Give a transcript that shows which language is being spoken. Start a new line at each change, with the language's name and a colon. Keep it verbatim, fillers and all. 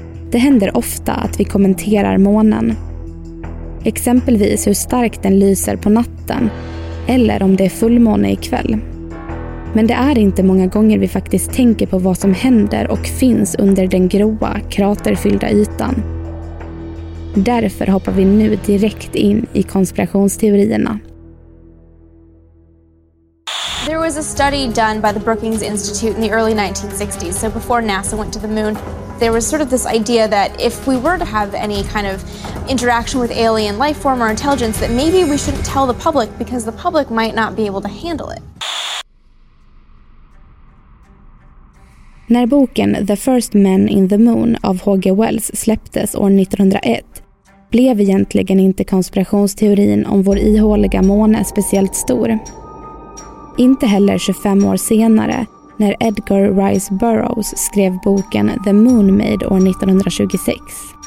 Swedish: Det händer ofta att vi kommenterar månen. Exempelvis hur starkt den lyser på natten eller om det är fullmåne ikväll. Men det är inte många gånger vi faktiskt tänker på vad som händer och finns under den gråa, kraterfyllda ytan. Därför hoppar vi nu direkt in i konspirationsteorierna.
English: There was a study done by the Brookings Institute in the early nineteen sixties, so before NASA went to the moon, there was sort of this idea that if we were to have any kind of interaction with alien life form or intelligence, that maybe we shouldn't tell the public because the public might not be able to handle it.
Swedish: När boken The First Men in the Moon av H G Wells släpptes år nittonhundraett blev egentligen inte konspirationsteorin om vår ihåliga måne speciellt stor. Inte heller tjugofem år senare när Edgar Rice Burroughs skrev boken The Moon Maid år nittonhundratjugosex.